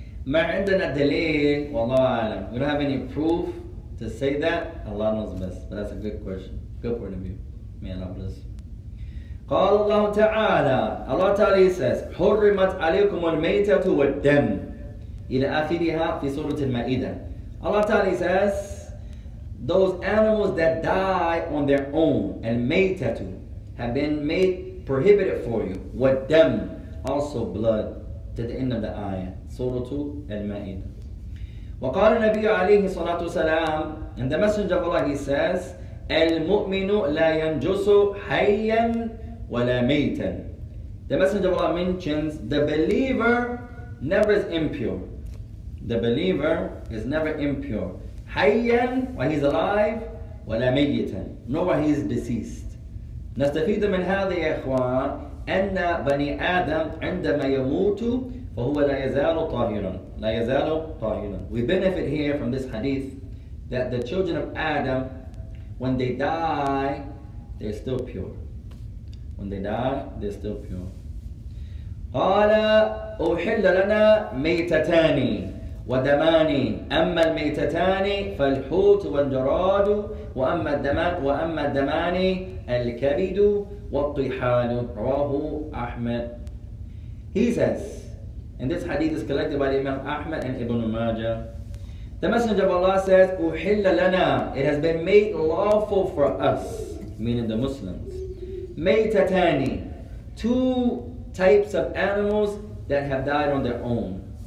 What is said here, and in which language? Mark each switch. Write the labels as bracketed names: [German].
[Arabic] ما عندنا دليل والله أعلم. [English] We don't have any proof to say that. Allah knows best. But that's a good question. Good point of view. May Allah bless you. [Arabic] قال الله تعالى. [English] Allah تعالى says, [Arabic] حرمت عليكم الميتة والدم إلى آخرها في سورة المائدة. [English] Allah تعالى says, those animals that die on their own, الميتة, have been made prohibited for you. [Arabic] والدم, [English] also blood. To the end of the ayah. Surah Al-Ma'id. [Arabic] وقال النبي عليه الصلاة والسلام, [English] and the Messenger of Allah, he says, [Arabic] المؤمن لا ينجس حيا ولا ميتا. [English] The Messenger of Allah mentions, the believer never is impure. The believer is never impure. [Arabic] حيا, [English] when he's alive, [Arabic] ولا ميتا, [English] nor when he's deceased. [Arabic] نستفيد من هذا يا إخوان أن بني آدم عندما يموت فهو لا يزال طاهرا. لا يزال طاهرا. [English] We benefit here from this hadith that the children of Adam, when they die, they're still pure. When they die, they're still pure. [Arabic] قال أحل لنا ميتتان ودمان. أما الميتتان فالحوت والجراد وأما الدمان وأما الدمان الكبد والطحان. رواه أحمد. [English] He says, and this hadith is collected by Imam Ahmad and Ibn Majah. The Messenger of Allah says, [Arabic] أحل لنا. [English] It has been made lawful for us, meaning the Muslims. [Arabic] ميتتان. [English] Two types of animals that have died on their own.